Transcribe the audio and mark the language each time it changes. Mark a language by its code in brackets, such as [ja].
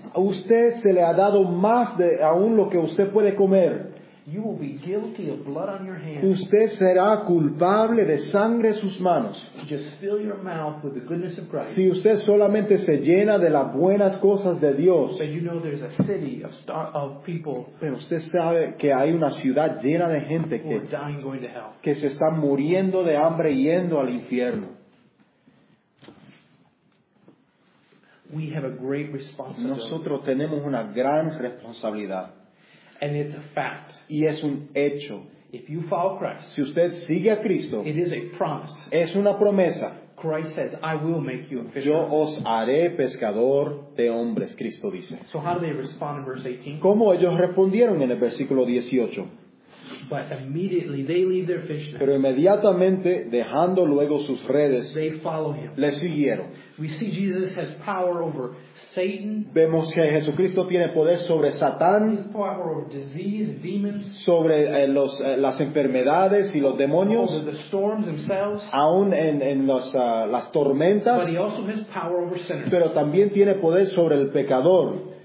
[es] A usted se le ha dado más de aún lo que usted puede comer. [en] You will be guilty of blood on your hands. [es] Usted será culpable de sangre en sus manos. [en] Just fill your mouth with the goodness of Christ. [es] Si usted solamente se llena de las buenas cosas de Dios. [en] So you know there's a city of people. [es] Pero usted sabe que hay una ciudad llena de gente que [en] are dying going to hell. [es] Que se están muriendo de hambre yendo al infierno. [en] We have a great responsibility. [es] Nosotros tenemos una gran responsabilidad. [en] And it's a fact. [es] Y es un hecho. [en] If you follow Christ, [es] si usted sigue a Cristo, [en] it is a promise. [es] Es una promesa. [en] Christ says, I will make you a fisher. [es] Yo os haré pescador de hombres, Cristo dice. [en] So how do they respond in verse 18? [es] ¿Cómo ellos respondieron en el versículo 18? [en] But immediately they leave their fishnets. [es] Pero inmediatamente, dejando luego sus redes, [en] they follow him. [es] Le siguieron. [en] We see Jesus has power over Satan. [es] Vemos que Jesucristo tiene poder sobre Satán, [en] power over disease, demons, [es] sobre las enfermedades y los demonios, [en] over the storms themselves, [es] aún en las tormentas. [en] But he also has power over sinners. [es] Pero también tiene poder sobre el pecador.